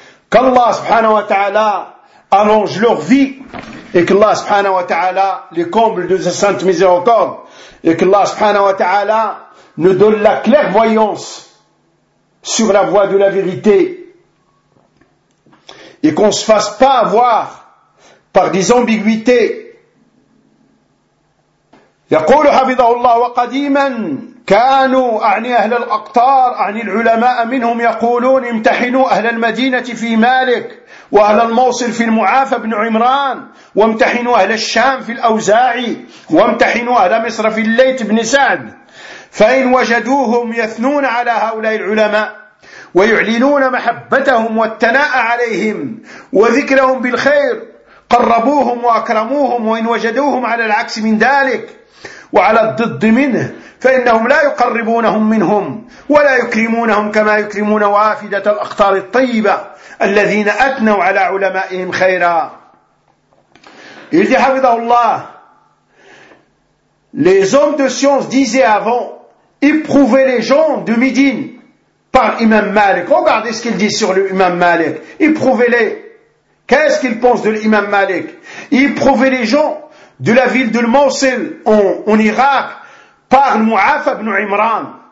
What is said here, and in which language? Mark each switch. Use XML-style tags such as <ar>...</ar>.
<fr>Qu'Allah subhanahu wa ta'ala allonge leur vie et qu'Allah subhanahu wa ta'ala les comble de sa sainte miséricorde et qu'Allah subhanahu wa ta'ala nous donne la clairvoyance sur la voie de la vérité, et qu'on se fasse pas avoir par des ambiguïtés.</fr> <ar>يقول حفظه الله: وقديما كانوا أعني أهل الأقطار أعني العلماء منهم يقولون: امتحنوا أهل المدينة في مالك وأهل الموصل في المعافى بن عمران، وامتحنوا أهل الشام في الأوزاعي، وامتحنوا أهل مصر في الليث بن سعد، فإن وجدوهم يثنون على هؤلاء العلماء ويعلنون محبتهم والثناء عليهم وذكرهم بالخير قربوهم وأكرموهم وإن وجدوهم على العكس من ذلك وعلى الضد منه فإنهم لا يقربونهم منهم ولا يكرمونهم كما يكرمون وافدة الأقطار الطيبة الذين أثنوا على علمائهم خيرا. يلدي حفظه الله.</ar> <fr>Les hommes de science disaient avant éprouver les gens de Médine par Imam Malik. Regardez ce qu'il dit sur l'Imam Malik. Éprouvez-les. Qu'est-ce qu'il pense de l'Imam Malik? Éprouvez les gens de la ville de Mosul en Irak par Mu'af ibn Imran.</fr>